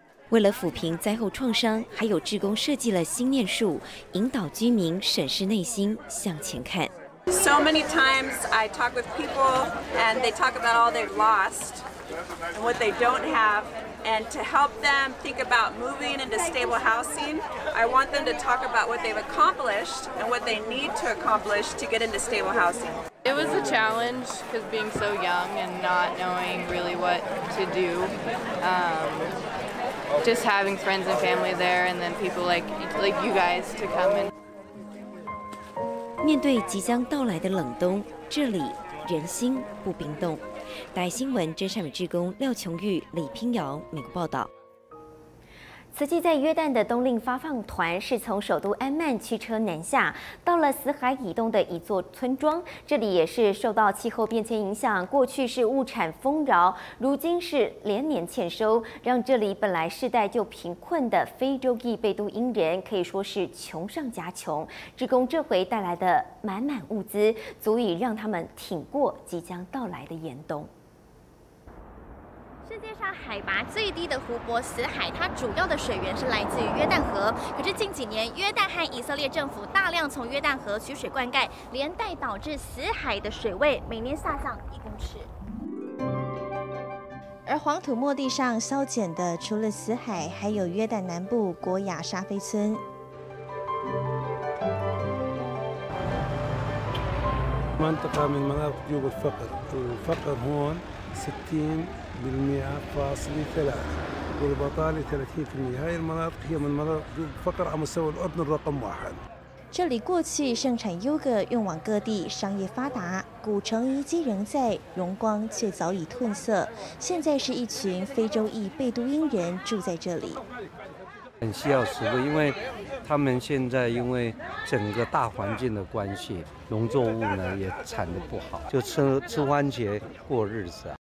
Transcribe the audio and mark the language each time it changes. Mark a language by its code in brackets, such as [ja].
[zh] 为了抚平灾后创伤，还有志工设计了心念术，引导居民审视内心，向前看。 [en] So many times I talk with people and they talk about all they've lost and what they don't have, and to help them think about moving into stable housing, I want them to talk about what they've accomplished and what they need to accomplish to get into stable housing. It was a challenge because being so young and not knowing really what to do, just having friends and family there and then people like you guys to come and... [zh] 面对即将到来的冷冬，这里人心不冰冻。大爱新闻真善美志工廖琼玉、李平遥美国报道。慈济在约旦的冬令发放团是从首都安曼驱车南下，到了死海以东的一座村庄，这里也是受到气候变迁影响，过去是物产丰饶，如今是连年欠收，让这里本来世代就贫困的非洲裔贝都因人可以说是穷上加穷。志工这回带来的满满物资，足以让他们挺过即将到来的严冬。世界上海拔最低的湖泊死海，它主要的水源是来自于约旦河。可是近几年，约旦和以色列政府大量从约旦河取水灌溉，连带导致死海的水位每年下降1公尺。而黄土末地上消减的，除了死海，还有约旦南部国雅沙菲村。 [ar] منطقة من مناطق جوب الفقر، الفقر هون 60.3% والبطالة 30%، هاي المناطق هي من مناطق جوب الفقر على مستوى الأردن رقم واحد. [zh] 这里过去盛产优格，运往各地，商业发达，古城遗迹仍在，荣光却早已褪色。现在是一群非洲裔贝都因人住在这里。很需要食物，因为他们现在因为整个大环境的关系，农作物呢也产得不好，就吃番茄过日子。